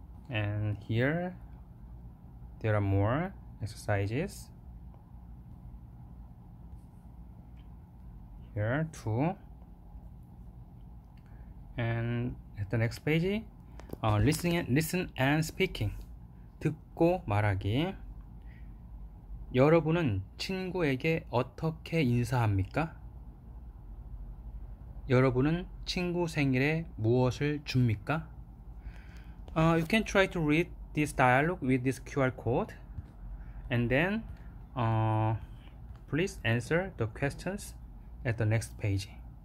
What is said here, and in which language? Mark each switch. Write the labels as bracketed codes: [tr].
[en] And here, there are more exercises. Here, two. And at the next page, listen and speaking. [ko] 듣고 말하기. 여러분은 친구에게 어떻게 인사합니까? 여러분은 친구 생일에 무엇을 줍니까? [en] You can try to read this dialogue with this QR code. And then, please answer the questions at the next page.